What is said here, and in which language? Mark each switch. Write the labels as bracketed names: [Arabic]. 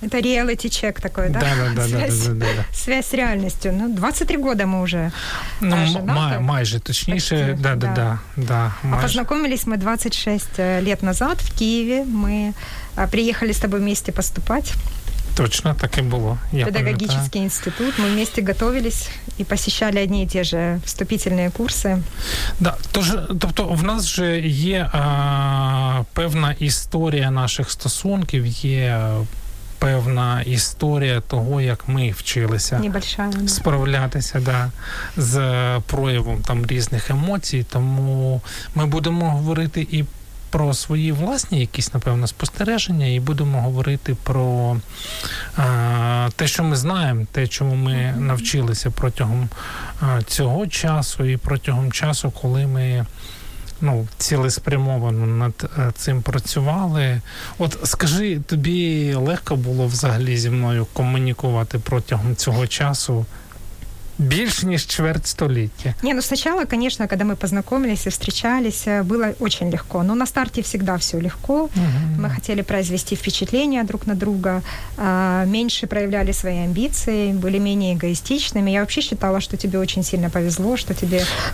[Ukrainian] Це реаліті-чек такий, так? [Russian] Да. [Ukrainian] Связь з реальністю. Ну, 23 роки ми вже. Ну, майже, точніше. А познайомились ми 26 років назад в Києві. Ми приїхали з тобою [Russian] вместе [Ukrainian] поступати. Точно, так і було. [Russian] Я педагогический институт. Мы вместе готовились и посещали одни и те же вступительные курсы. [Ukrainian] Да, тоже, тобто в нас же є певна історія наших стосунків, є певна історія того, як ми вчилися справлятися, да, з проявом там різних емоцій, тому ми будемо говорити і про свої власні якісь, напевно, спостереження, і будемо говорити про те, що ми знаємо, те, чому ми навчилися протягом цього часу і протягом часу, коли ми, ну, цілеспрямовано над цим працювали. От скажи, тобі легко було взагалі зі мною комунікувати протягом цього часу? [Russian] Больше, чем четверть столетия. Не, ну сначала, конечно, когда мы познакомились и встречались, было очень легко. Но на старте всегда все легко. Мы хотели произвести впечатление друг на друга, меньше проявляли свои амбиции, были менее эгоистичными. Я вообще считала, что тебе очень сильно повезло, что тебе...